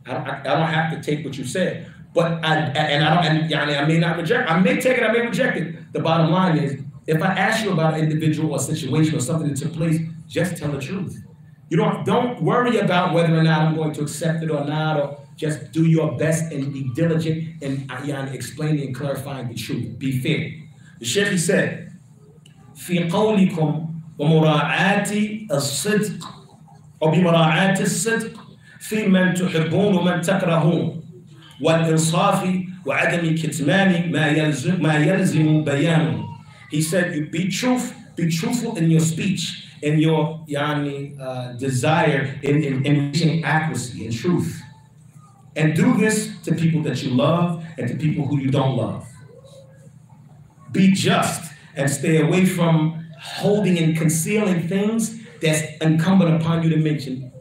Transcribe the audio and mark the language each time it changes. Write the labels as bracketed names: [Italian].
[English] I don't have to take what you said, but I may not reject. I may take it. I may reject it. The bottom line is, If I ask you about an individual or situation or something that took place, just tell the truth. You don't worry about whether or not I'm going to accept it or not, or just do your best and be diligent in explaining and clarifying the truth. Be fair. The Sheikh, he said, [Arabic] في قولكم ومراعاة الصدق وبمراعاة الصدق في من تحبون ومن تكرهون والإنصاف وعدم كتمان ما يلزم بيانه. [English] He said, "You be truthful in your speech, in your desire, in reaching accuracy and truth, and do this to people that you love and to people who you don't love. Be just and stay away from holding and concealing things that's incumbent upon you to mention.